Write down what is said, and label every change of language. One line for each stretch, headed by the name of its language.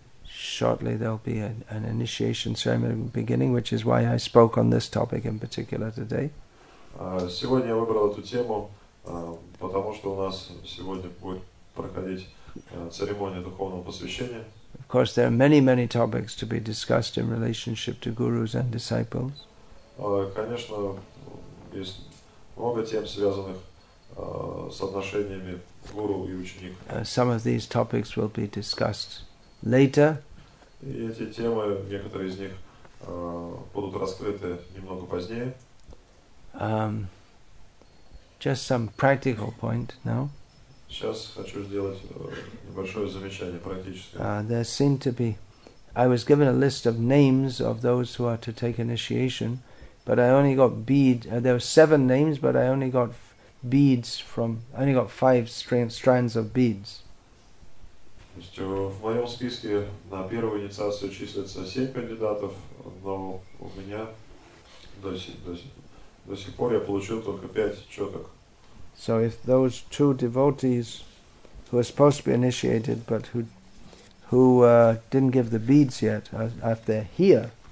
English: Shortly there'll be an initiation ceremony beginning, which is why I spoke on this topic in particular today.
Russian: Сегодня я выбрал эту тему, потому что у нас сегодня будет проходить церемония духовного посвящения.
English: Of course, there are many, many topics to be discussed in relationship to gurus and disciples.
Russian: Конечно, есть много тем, связанных с отношениями гуру и ученика.
English: Some of these topics will be discussed later.
Russian: И эти темы, некоторые из них, будут раскрыты немного позднее.
English: Just some practical point now.
Russian: Сейчас хочу сделать небольшое замечание практическое.
English: There seem to be, I was given a list of names of those who are to take initiation, but I only got beads. There were 7 names, but I only got beads from. I only got 5 strands of beads.
Russian: То есть в моем списке на первую инициацию числится 7 кандидатов, но у меня до сих пор я получил только 5 четок.
English: So if those 2 devotees who are supposed to be initiated but who didn't give the beads yet are they here?